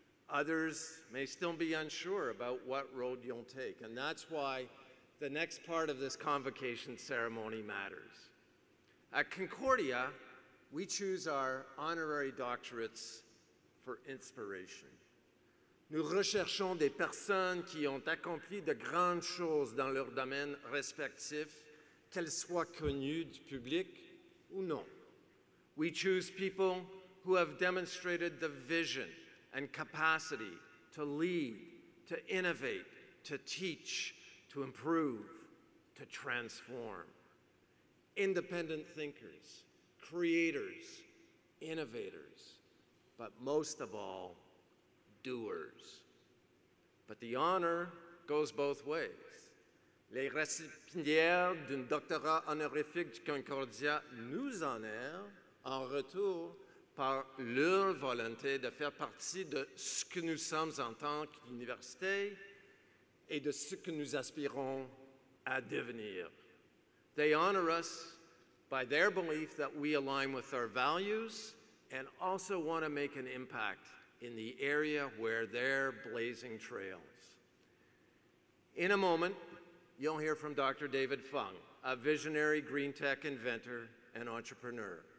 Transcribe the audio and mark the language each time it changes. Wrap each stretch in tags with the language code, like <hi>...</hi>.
<en>Others may still be unsure about what road you'll take, and that's why the next part of this convocation ceremony matters. At Concordia, we choose our honorary doctorates for inspiration.</en> <fr>Nous recherchons des personnes qui ont accompli de grandes choses dans leur domaine respectif, qu'elles soient connues du public ou non.</fr> <en>We choose people who have demonstrated the vision and capacity to lead, to innovate, to teach, to improve, to transform. Independent thinkers, creators, innovators, but most of all, doers. But the honor goes both ways.</en> <fr>Les récipiendaires d'un doctorat honorifique du Concordia nous honorent en retour par leur volonté de faire partie de ce que nous sommes en tant qu'université et de ce que nous aspirons à devenir.</fr> <en>They honor us by their belief that we align with our values and also want to make an impact in the area where they're blazing trails. In a moment, you'll hear from Dr. David Fung, a visionary green tech inventor and entrepreneur.</en>